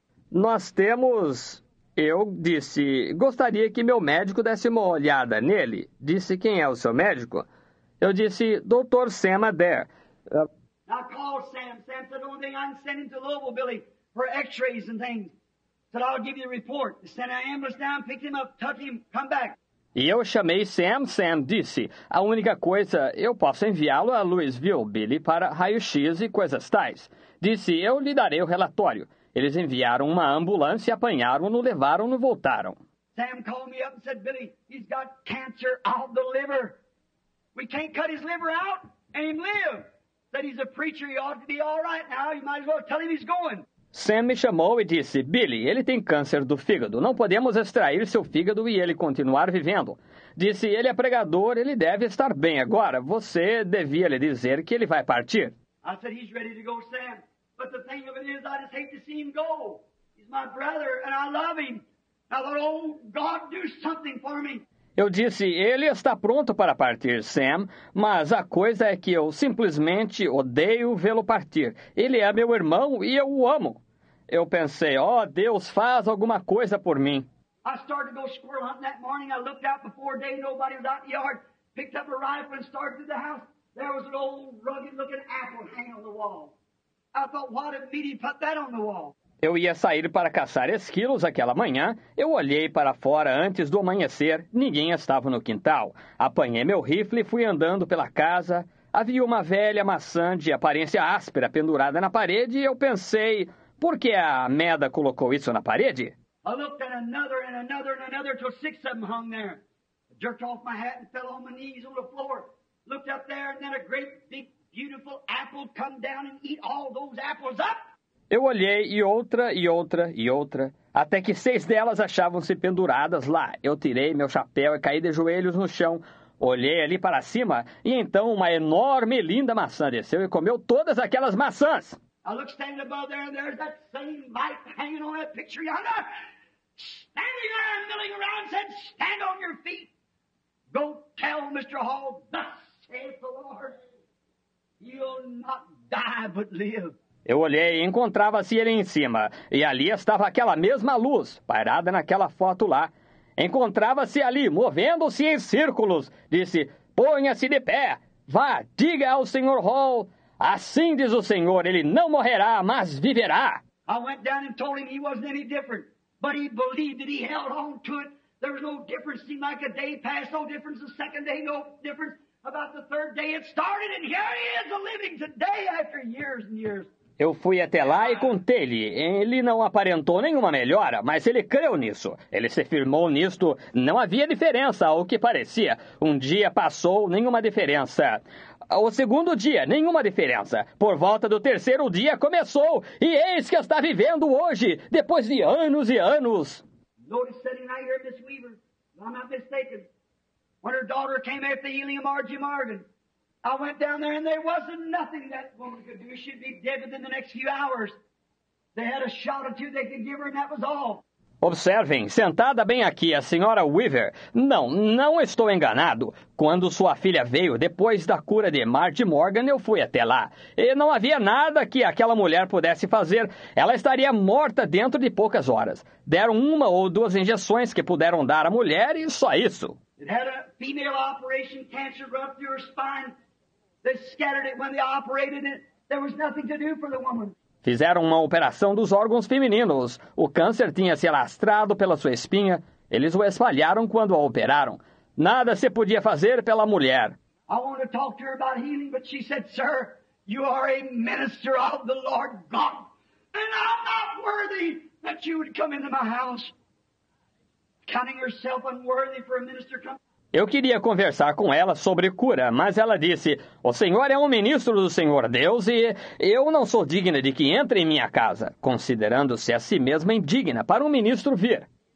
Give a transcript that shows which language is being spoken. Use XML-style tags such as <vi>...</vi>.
<pt>Nós temos... Eu disse, gostaria que meu médico desse uma olhada nele. Disse, quem é o seu médico? Eu disse, Dr. Sam Adair.</pt> <en>I called Sam. Sam said, only thing I can send him to Louisville, Billy, for x-rays and things. Said, I'll give you the report. Send an ambulance down, pick him up, tuck him, come back.</en> <pt>E eu chamei Sam. Sam disse, a única coisa, eu posso enviá-lo a Louisville, Billy, para raio-x e coisas tais. Disse, eu lhe darei o relatório. Eles enviaram uma ambulância, apanharam-no, levaram-no, voltaram.</pt> <en>Sam called me up and said, Billy, he's got cancer of the liver. We can't cut his liver out and him live. That he's a preacher, he ought to be all right now. You might as well tell him he's going.</en> <pt>Sam me chamou e disse, Billy, ele tem câncer do fígado. Não podemos extrair seu fígado e ele continuar vivendo. Disse, ele é pregador, ele deve estar bem agora. Você devia lhe dizer que ele vai partir.</pt> <en>I said, he's ready to go, Sam. But the thing of it is, I just hate to see him go. He's my brother and I love him. I thought, oh, God, do something for me.</en> <pt>Eu disse, ele está pronto para partir, Sam, mas a coisa é que eu simplesmente odeio vê-lo partir. Ele é meu irmão e eu o amo. Eu pensei, ó, Deus, faz alguma coisa por mim.</pt> <en>I started to go squirrel hunting that morning. I looked out before day, nobody was out in the yard. Picked up a rifle and started through the house. There was an old rugged looking apple hanging on the wall. I thought, why did Meaty put that on the wall?</en> <pt>Eu ia sair para caçar esquilos aquela manhã. Eu olhei para fora antes do amanhecer. Ninguém estava no quintal. Apanhei meu rifle e fui andando pela casa. Havia uma velha maçã de aparência áspera pendurada na parede e eu pensei, por que a merda colocou isso na parede?</pt> <en>I looked at another and another and another till six of them hung there. I jerked off my hat and fell on my knees on the floor. Looked up there and then a great big beautiful apple come down and eat all those apples up.</en> <pt>Eu olhei e outra, e outra, e outra, até que seis delas achavam-se penduradas lá. Eu tirei meu chapéu e caí de joelhos no chão. Olhei ali para cima e então uma enorme e linda maçã desceu e comeu todas aquelas maçãs.</pt> <en>I looked standing above there and there's that same mite hanging on that picture yonder. Standing there and milling around said, stand on your feet. Go tell Mr. Hall, thus saith the Lord, you'll not die but live.</en> <pt>Eu olhei e encontrava-se ele em cima, e ali estava aquela mesma luz, parada naquela foto lá. Encontrava-se ali, movendo-se em círculos. Disse, ponha-se de pé, vá, diga ao Sr. Hall, assim diz o Senhor, ele não morrerá, mas viverá.</pt> <en>I went down and told him he wasn't any different, but he believed that he held on to it. There was no difference, seemed like a day passed, no difference, a second day, no difference. About the third day it started, and here he is, a living today after years and years.</en> <pt>Eu fui até lá e contei-lhe. Ele não aparentou nenhuma melhora, mas ele creu nisso. Ele se firmou nisto. Não havia diferença ao que parecia. Um dia passou, nenhuma diferença. O segundo dia, nenhuma diferença. Por volta do terceiro dia, começou. E eis que está vivendo hoje, depois de anos e anos.</pt> <en>Notice sitting right here, Miss Weaver, I'm not mistaken. When her daughter came after healing Margie Morgan. I went down there and there wasn't nothing that woman could do. She'd be dead within the next few hours. They had a shot or two they could give her and that was all.</en> <pt>Observem, sentada bem aqui, a senhora Weaver. Não, não estou enganado. Quando sua filha veio, depois da cura de Margie Morgan, eu fui até lá. E não havia nada que aquela mulher pudesse fazer. Ela estaria morta dentro de poucas horas. Deram uma ou duas injeções que puderam dar à mulher e só isso.</pt> <en>It had a female operation, cancer run through her spine. They scattered it when they operated it. There was nothing to do for the woman.</en> <pt>Fizeram uma operação dos órgãos femininos. O câncer tinha se alastrado pela sua espinha. Eles o espalharam quando a operaram. Nada se podia fazer pela mulher.</pt> <en>I want to talk to her about healing, but she said, sir, you are a minister of the Lord God. And I'm not worthy that you would come into my house, counting yourself unworthy for a minister to come.</en> <pt>Eu queria conversar com ela sobre cura, mas ela disse, o senhor é um ministro do Senhor Deus e eu não sou digna de que entre em minha casa, considerando-se a si mesma indigna para um ministro vir.</pt>